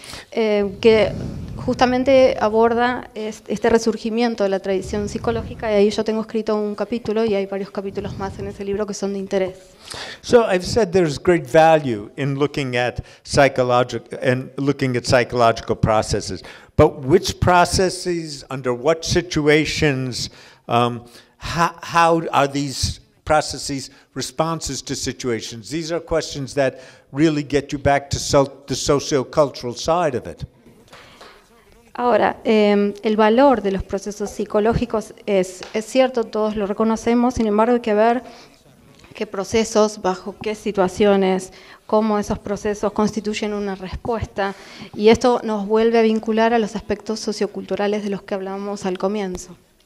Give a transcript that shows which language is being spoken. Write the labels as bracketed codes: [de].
[es] Que justamente aborda este resurgimiento de la tradición psicológica, y ahí yo tengo escrito un capítulo, y hay varios capítulos más en ese libro que son de interés. [en] So I've said there's great value in looking at psychological processes, but which processes, under what situations, how are these processes responses to situations? These are questions that really get you back to the socio-cultural side of it. [es] Ahora, el valor de los procesos psicológicos es cierto, todos lo reconocemos, sin embargo hay que ver qué procesos, bajo qué situaciones, cómo esos procesos constituyen una respuesta, y esto nos vuelve a vincular a los aspectos socioculturales de los que hablábamos al comienzo.